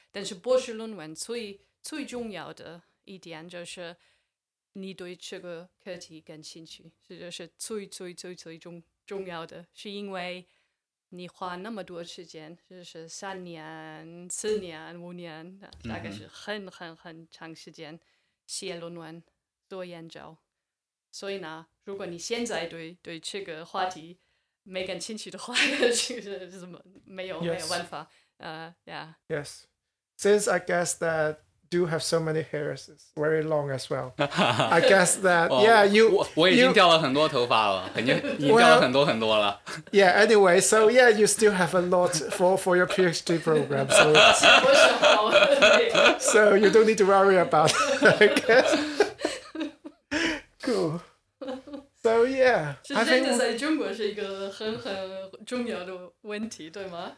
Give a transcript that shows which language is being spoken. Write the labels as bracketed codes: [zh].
[zh] 但是博士论文最重要的一点就是你对这个课题感兴趣，这就是最重要的，是因为你花那么多时间，就是三年、四年、五年，大概是很长时间写论文、做研究。所以呢，如果你现在对这个话题没感兴趣的话，是没有办法。 [en] Yes. Since I guess that do have so many hairs, it's very long as well. I guess that, yeah, you... [zh] 我已经掉了很多头发了，肯定掉了很多很多了。 [en] Yeah, anyway, so yeah, you still have a lot for your PhD program. So, so you don't need to worry about it, I guess. Cool. So yeah. [zh] 是这个在中国是一个很重要的问题，对吗？